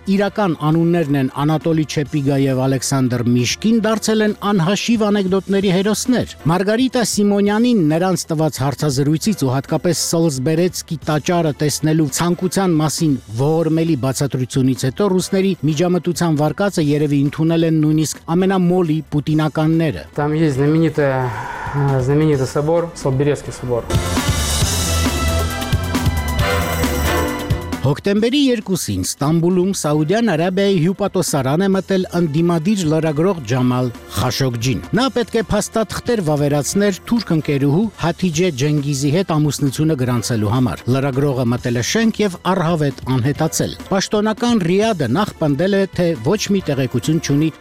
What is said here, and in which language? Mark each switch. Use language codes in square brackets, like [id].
[hy] իրական անուններն են Անատոլի Չեպիգա եւ Ալեքսանդր Միշկին, դարձել են անհաշիվ անեկդոտների հերոսներ։ Մարգարիտա Սիմոնյանին նրանց ված հարցազրույցից ու հատկապես Սոլզբերեցկի տաճարը տեսնելու ցանկության մասին ողորմելի բացատրությունից հետո ռուսների միջամտության վարկածը երևի ընդունել են նույնիսկ ամենամոլի պուտինականները։ [ru] Там есть знаменитый собор, Սոլզբերեցկի собор։ [hy] Հոկտեմբերի 2-ին Ստամբուլում Սաուդյան Արաբիայի հյուպատոսարան է մտել ընդդիմադիր լրագրող Ջամալ Խաշոգջին։ Նա պետք է փաստաթղթեր վավերացներ թուրք ընկերուհու Հաթիջե Ջենգիզի հետ ամուսնությունը գրանցելու համար։ Լրագրողը մտել է շենք և առհավետ անհետացել։ Պաշտոնական Ռիադը նախ պնդել է, թե ոչ մի տեղեկություն չունի